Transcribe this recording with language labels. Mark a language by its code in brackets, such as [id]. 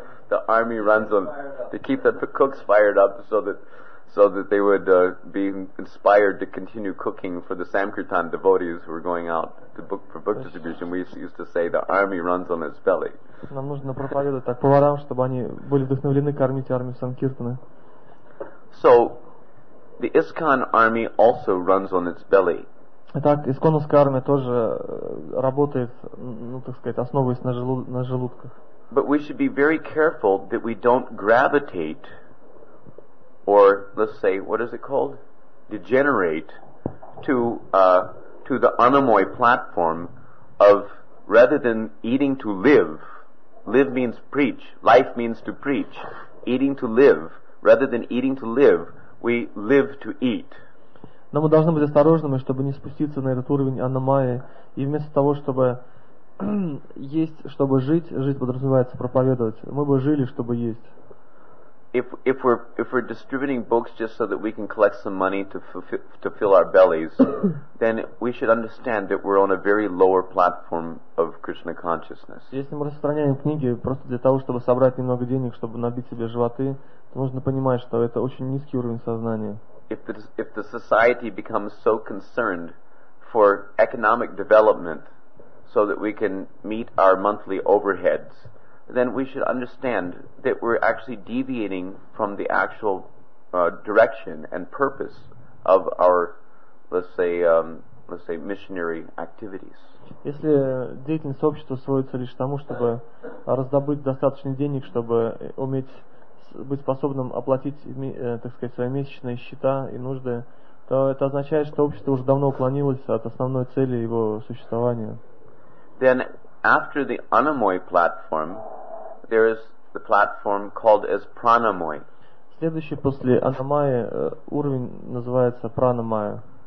[en] The army runs on to keep the cooks fired up so that they would be inspired to continue cooking for the Sankirtan devotees who were going out to book distribution. We used to say the army runs on its belly. [ru] Нам нужно проповедовать так поварам, чтобы они были вдохновлены кормить армию Санкиртаны. [en] So the ISKCON army also runs on its belly. [ru] Итак, исконовская армия тоже работает, ну, так сказать, основываясь на желудках. [en] But we should be very careful that we don't gravitate, or, let's say, what is it called? Degenerate to the anamoy platform of, rather than eating to live, live means preach, life means to preach, eating to live, rather than eating to live, we live to eat. [ru] Но мы должны быть осторожными, чтобы не спуститься на этот уровень аномаи. И вместо того, чтобы есть, чтобы жить, жить подразумевается проповедовать. Мы бы жили, чтобы есть. [en] Distributing books just so that we can collect some money to fill our bellies, then we should understand that we're on a very lower platform of Krishna consciousness. [ru] Если мы распространяем книги просто для того, чтобы собрать немного денег, чтобы набить себе животы, то нужно понимать, что это очень низкий уровень сознания. [en] If the society becomes so concerned for economic development so that we can meet our monthly overheads, then we should understand that we're actually deviating from the actual direction and purpose of our, let's say, missionary activities. [ru] Если деятельность общества сводится лишь к тому, чтобы раздобыть достаточно денег, чтобы уметь быть способным оплатить, так сказать, свои месячные счета и нужды, то это означает, что общество уже давно уклонилось от основной цели его существования. [en] Then after the Anamoy platform, there is the platform called as Pranamoy. [ru] Следующий после Анамайи уровень называется Пранамайя.